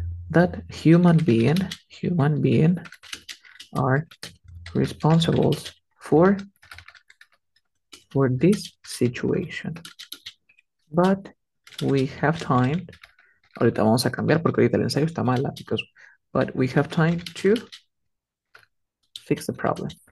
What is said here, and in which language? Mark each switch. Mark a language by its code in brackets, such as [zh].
[en] That human being are responsible for this situation. But we have time. [es] Ahorita vamos a cambiar porque ahorita el ensayo está mal, chicos. [en] But we have time to fix the problem.